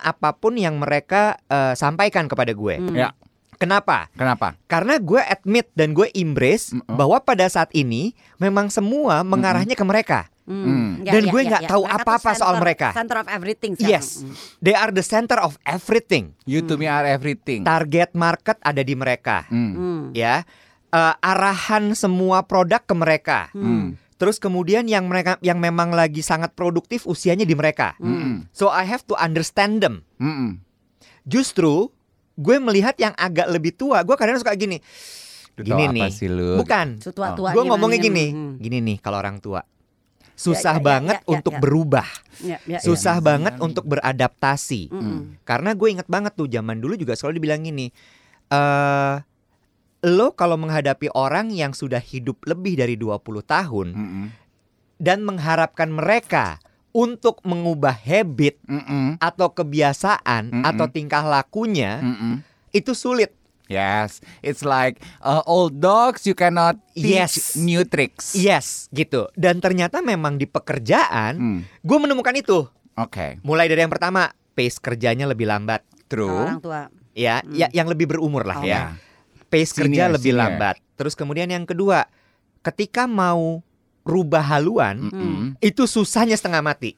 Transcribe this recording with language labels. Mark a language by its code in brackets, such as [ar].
[id] apapun yang mereka sampaikan kepada gue. Kenapa? Karena gue admit dan gue embrace bahwa pada saat ini memang semua mengarahnya ke mereka. Dan gue gak tahu apa-apa soal mereka. [en] Center of everything [id] sekarang. [en] Yes, they are the center of everything. You to me are everything. [id] Target market ada di mereka. Ya, arahan semua produk ke mereka. Terus kemudian yang mereka yang memang lagi sangat produktif usianya di mereka. [en] So I have to understand them. [id] Justru gue melihat yang agak lebih tua, gue kadang suka gini. Gini nih, sih lu? Bukan. Gue ngomongnya gini, gini nih kalau orang tua. Susah banget untuk berubah. Susah banget untuk beradaptasi. Karena gue ingat banget tuh zaman dulu juga selalu dibilang gini, lo kalau menghadapi orang yang sudah hidup lebih dari 20 tahun dan mengharapkan mereka untuk mengubah habit atau kebiasaan atau tingkah lakunya, itu sulit. [en] Yes, it's like old dogs you cannot teach new tricks. [id] Yes, gitu. Dan ternyata memang di pekerjaan gue menemukan itu. Mulai dari yang pertama, pace kerjanya lebih lambat. Orang tua. Ya, ya, yang lebih berumur lah ya. Pace kerja lebih lambat. Terus kemudian yang kedua, ketika mau rubah haluan, itu susahnya setengah mati.